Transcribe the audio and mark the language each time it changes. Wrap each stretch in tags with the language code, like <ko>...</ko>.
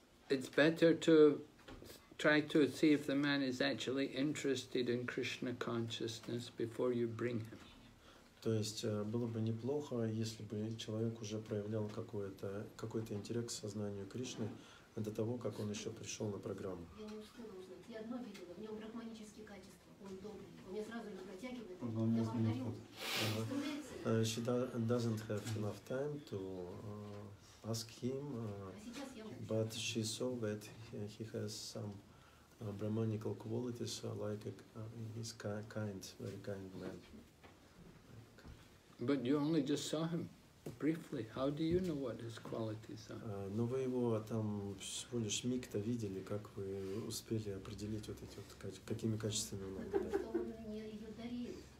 <en>It's better to try to see if the man is actually interested in Krishna consciousness before you bring him.</en> <ru>То есть было бы неплохо, если бы человек уже проявлял какой-то интерес к сознанию Кришны до того, как он еще пришел на программу. Я не успела узнать. Я одно видела, в нем брахманические качества. Он добрый, он меня сразу не протягивает, я благодарю.</ru> <en>She doesn't have enough time to ask him, but she saw that he has some brahmanical qualities, like he's kind, very kind man. But you only just saw him briefly. How do you know what his qualities are?</en> <ru>Но вы его там всего лишь миг-то видели, как вы успели определить вот эти вот какими качествами он обладает? Потому что он мне ее дарил.</ru>